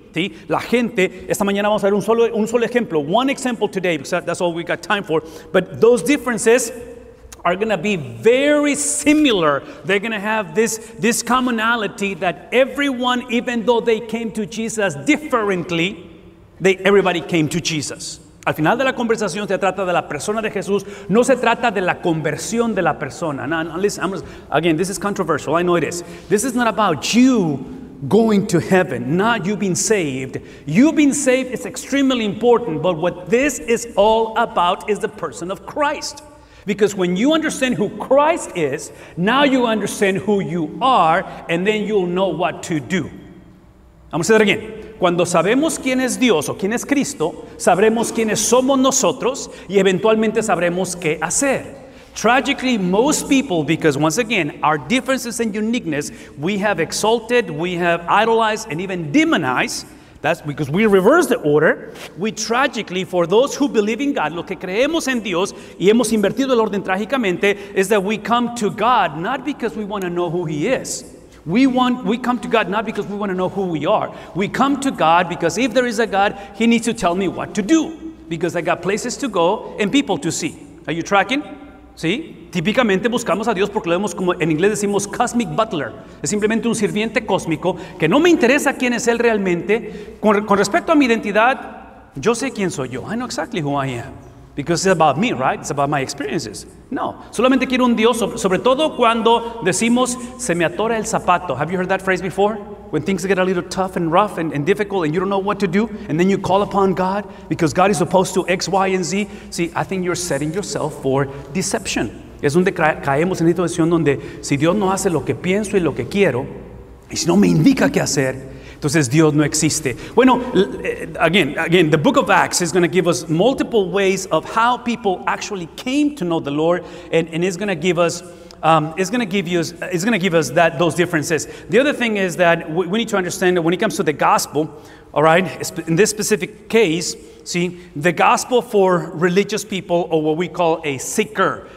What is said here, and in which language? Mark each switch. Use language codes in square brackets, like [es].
[es] ¿sí? La gente, esta mañana vamos a ver un solo ejemplo, [en] one example today, because that's all we got time for, but those differences are going to be very similar. They're going to have this commonality that everyone, even though they came to Jesus differently, everybody came to Jesus. [es] Al final de la conversación se trata de la persona de Jesús, no se trata de la conversión de la persona. [en] Now, listen, again, this is controversial, I know it is. This is not about you going to heaven, not you being saved. You being saved is extremely important, but what this is all about is the person of Christ. Because when you understand who Christ is, now you understand who you are, and then you'll know what to do. [es] Vamos a hacer again. Cuando sabemos quién es Dios o quién es Cristo, sabremos quiénes somos nosotros y eventualmente sabremos qué hacer. [en] Tragically, most people, because once again, our differences and uniqueness, we have exalted, we have idolized, and even demonized. That's because we reverse the order. We tragically, for those who believe in God, [es] lo que creemos en Dios y hemos invertido el orden trágicamente, [en] is that we come to God not because we want to know who He is. We come to God not because we want to know who we are. We come to God because if there is a God, He needs to tell me what to do. Because I got places to go and people to see. Are you tracking? ¿Sí? [es] Típicamente buscamos a Dios porque lo vemos como, en inglés decimos, cosmic butler. Es simplemente un sirviente cósmico que no me interesa quién es él realmente. Con respecto a mi identidad, yo sé quién soy yo. [en] I know exactly who I am. Because it's about me, right? It's about my experiences. [es] No, solamente quiero un Dios, sobre todo cuando decimos, se me atora el zapato. [en] Have you heard that phrase before? When things get a little tough and rough and difficult and you don't know what to do, and then you call upon God because God is supposed to X, Y, and Z. See, I think you're setting yourself for deception. [es] Es donde caemos en una situación donde si Dios no hace lo que pienso y lo que quiero, y si no me indica qué hacer, entonces Dios no existe. [en] Bueno, again, the book of Acts is going to give us multiple ways of how people actually came to know the Lord, and it's going to give us that those differences. The other thing is that we need to understand that when it comes to the gospel, all right, in this specific case, see, the gospel for religious people, or what we call a seeker.